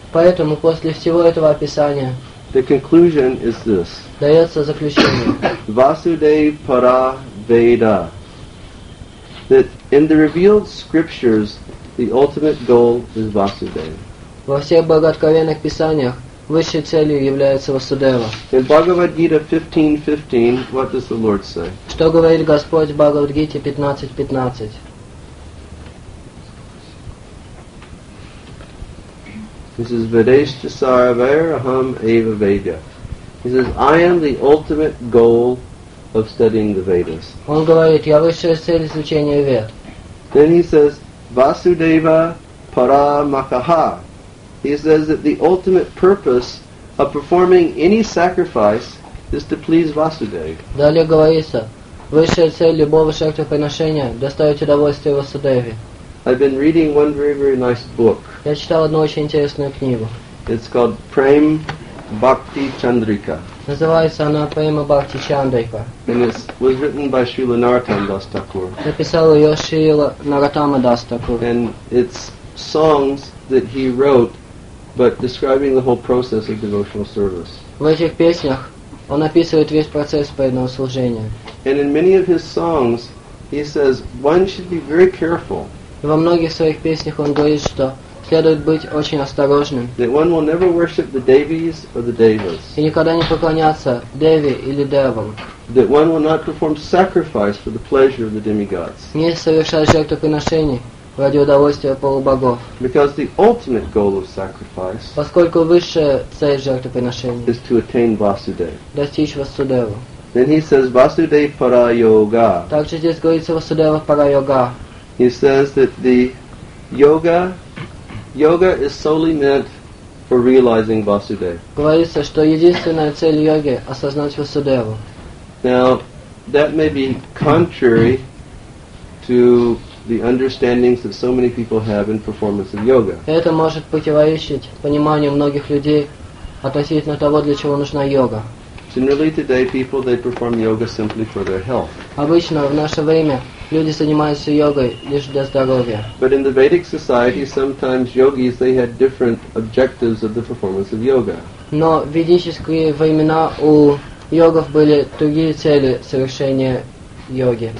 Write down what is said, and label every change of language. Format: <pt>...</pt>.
<ru>поэтому после всего этого описания,</ru> <en>the conclusion is this.</en> <ru>Дается заключение.</ru> <sa>Vasudeva para veda.</sa> <en>That in the revealed scriptures, the ultimate goal is Vasudeva.</en> <ru>Во всех богооткровенных писаниях высшей целью является Васудева.</ru> <en>In Bhagavad Gita 15:15, what does the Lord say?</en> <ru>Что говорит Господь в Бхагавад Гите 15:15?</ru> <en>This is</en> <sa>Vedeshya Saravair Aham Eva Veda.</sa> <en>He says, I am the ultimate goal of studying the Vedas.</en> <ru>Он говорит, я высшая цель изучения Вед.</ru> <en>Then he says,</en> <sa>Vasudeva Para Makaha.</sa> <en>He says that the ultimate purpose of performing any sacrifice is to please Vasudeva.</en> <ru>Далее говорится, высшая цель любого жертвоприношения доставить удовольствие Васудеве.</ru> <en>I've been reading one very, very nice book.</en> <ru>Я читал одну очень интересную книгу.</ru> <en>It's called Prem Bhakti Chandrika.</en> <ru>Называется она Prema Bhakti Chandrika.</ru> <en>And it was written by Srila Narottam Das Thakur.</en> <ru>Написал ее Шрила Наротама Дас Такур.</ru> <en>And it's songs that he wrote, but describing the whole process of devotional service.</en> <ru>В этих песнях он описывает весь процесс преданного служения.</ru> <en>And in many of his songs, he says one should be very careful.</en> <ru>Во многих своих песнях он говорит, что следует быть очень осторожным.</ru> <en>That one will never worship the devis or the devas.</en> <ru>И никогда не поклоняться деви или девам.</ru> <en>That one will not perform sacrifice for the pleasure of the demigods.</en> <ru>Не совершать жертвоприношений ради удовольствия полубогов.</ru> <en>Because the ultimate goal of sacrifice.</en> <ru>Поскольку высшая цель жертвоприношений.</ru> <en>Is to attain Vasudeva.</en> <ru>Достичь Васудеву.</ru> <en>Then he says</en> <sa>Vasudeva para yoga.</sa> <ru>Также здесь говорится Васудева пара йога.</ru> <en>He says that the yoga is solely meant for realizing Vasudeva.</en> <ru>Говорится, что единственная цель йоги – осознать Васудеву.</ru> <en>Now, that may be contrary to the understandings that so many people have in performance of yoga.</en> <ru>Это может противоречить пониманию многих людей относительно того, для чего нужна йога.</ru> <en>Generally today, people, they perform yoga simply for their health.</en> <ru>Обычно в наше время люди занимаются йогой лишь для здоровья.</ru> <en>But in the Vedic society, sometimes yogis, they had different objectives of the performance of yoga.</en> <ru>Но в ведические времена у йогов были другие цели совершения йоги.</ru>